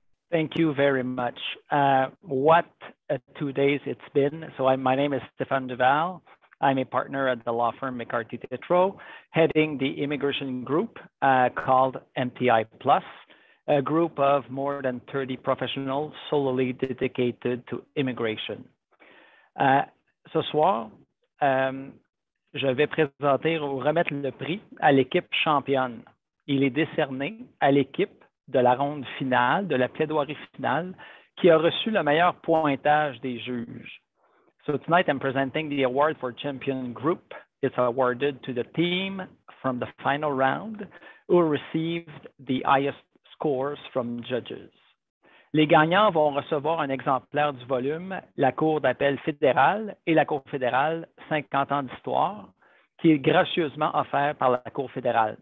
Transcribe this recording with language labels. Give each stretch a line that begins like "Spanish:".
English: Thank you very much. What a 2 days it's been. So my name is Stéphane Duval. I'm a partner at the law firm McCarthy Tétreau, heading the immigration group called MTI Plus, a group of more than 30 professionals solely dedicated to immigration.
French: Ce soir, je vais présenter ou remettre le prix à l'équipe championne. Il est décerné à l'équipe de la ronde finale, de la plaidoirie finale, qui a reçu le meilleur pointage des juges.
English: So tonight I'm presenting the award for Champion Group. It's awarded to the team from the final round who received the highest scores from judges.
French: Les gagnants vont recevoir un exemplaire du volume La Cour d'appel fédérale et la Cour fédérale 50 ans d'histoire, qui est gracieusement offert par la Cour fédérale.